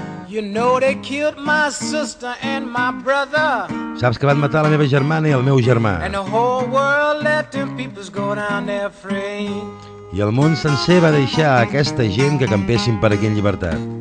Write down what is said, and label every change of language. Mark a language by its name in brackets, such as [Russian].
[English] You know they killed my sister and my brother. [Catalan] Saps que van matar la meva germana i el meu germà. [English] And the whole world let them peoples go down there free. [Catalan] I el món sencer va deixar aquesta gent que campessin per aquí en llibertat.